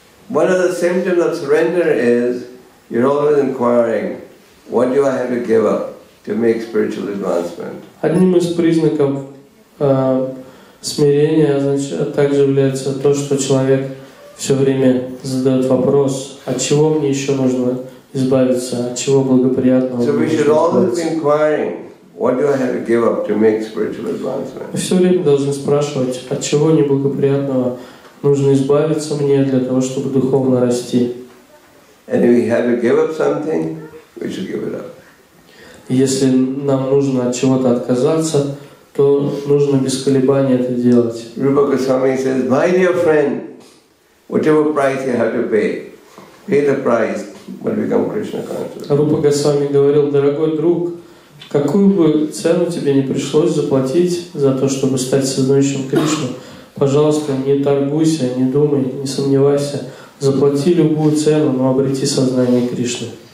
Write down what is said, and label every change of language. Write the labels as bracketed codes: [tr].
[en] One of the symptoms of surrender is you're always inquiring, what do I have to give up to make spiritual advancement? [ru] Одним из признаков смирения, значит, также является то, что человек все время задает вопрос, от чего мне еще нужно избавиться, от чего благоприятного. [en] So we should always be inquiring, what do I have to give up to make spiritual advancement? [ru] Все время должны спрашивать, от чего неблагоприятного нужно избавиться мне для того, чтобы духовно расти. [en] And if we have to give up something, we should give it up. [ru] Если нам нужно от чего-то отказаться, то нужно без колебаний это делать. [en] Rupa Goswami says, my dear friend, whatever price you have to pay, pay the price, but become Krishna conscious. [ru] Rupa Goswami говорил, дорогой друг, какую бы цену тебе не пришлось заплатить за то, чтобы стать сознающим Кришну, пожалуйста, не торгуйся, не думай, не сомневайся. Заплати любую цену, но обрети сознание Кришны.